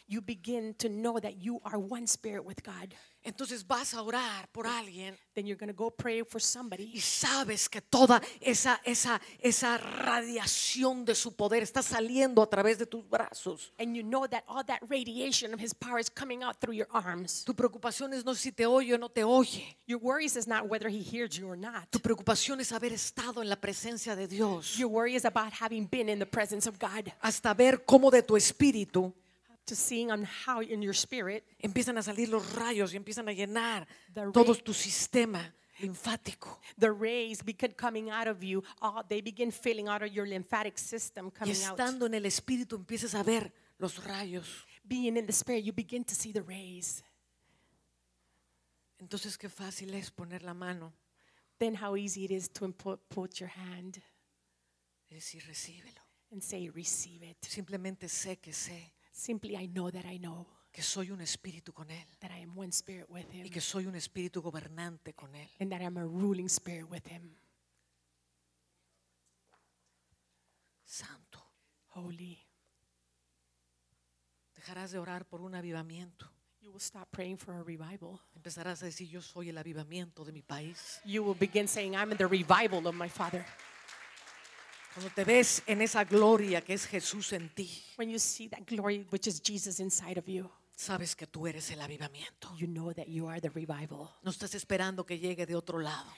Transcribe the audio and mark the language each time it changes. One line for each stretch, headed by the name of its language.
English: You begin to know that you are one spirit with God.
Spanish: Entonces vas a orar por alguien.
English: Then you're going to go pray for somebody.
Spanish: Y sabes que toda esa radiación de su poder está saliendo a través de tus brazos.
English: And you know that all that radiation of his power is coming out through your arms.
Spanish: Tu preocupación es no si te oye o no te oye.
English: Your worries is not whether he hears you or not.
Spanish: Tu preocupación es haber estado en la presencia de Dios.
English: Your worry is about having been in the presence of God.
Spanish: Hasta ver cómo de tu espíritu.
English: To seeing on how in your spirit
Spanish: empiezan a salir los rayos y empiezan a llenar todo tu sistema linfático.
English: The rays begin coming out of you. Oh, they begin filling out of your lymphatic system coming out.
Spanish: Y estando en el espíritu empiezas a ver los rayos.
English: Being in the spirit, you begin to see the rays.
Spanish: Entonces qué fácil es poner la mano.
English: Then how easy it is to put your hand.
Spanish: Y decir, recíbelo.
English: And say, receive it.
Spanish: Simplemente sé que sé.
English: Simply, I know that I know
Spanish: que soy un espíritu con él.
English: That I am one spirit with him.
Spanish: Y que soy un espíritu gobernante con él.
English: And that I am a ruling spirit with him.
Spanish: Santo.
English: Holy.
Spanish: Dejarás de orar por un avivamiento.
English: You will stop praying for a revival.
Spanish: Empezarás a decir, yo soy el avivamiento de mi país.
English: You will begin saying, I'm in the revival of my father.
Spanish: Cuando te ves en esa gloria que es Jesús en ti.
English: When you see that glory which is Jesus inside of you.
Spanish: Sabes que tú eres el avivamiento.
English: You know that you are the revival.
Spanish: No estás esperando que llegue de otro lado.